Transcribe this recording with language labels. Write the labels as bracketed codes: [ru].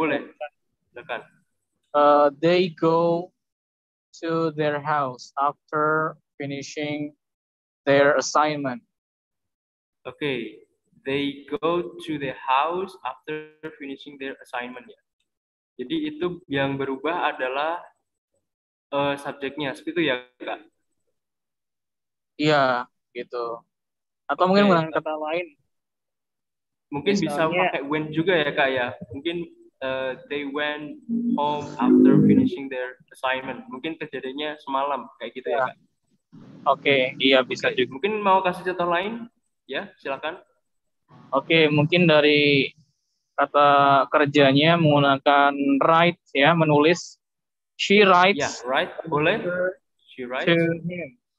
[id] Ya, boleh. Silakan. [en] They go to their house after finishing their assignment. Oke. They go to their house after finishing their assignment ya. [id] Jadi itu yang berubah adalah subjeknya, seperti itu ya, Kak? Iya, gitu. Atau okay. Mungkin menggunakan kata lain. Mungkin misalnya, bisa pakai when juga ya, Kak, ya? [en] Mungkin they went home after finishing their assignment. [id] Mungkin kejadiannya semalam, kayak gitu ya, Kak? Oke, okay, iya bisa okay. Juga. Mungkin mau kasih contoh lain? Ya, silakan. Oke, okay, mungkin dari... kata kerjanya menggunakan write ya, menulis. [en] She writes. Ya, write boleh. She writes to him.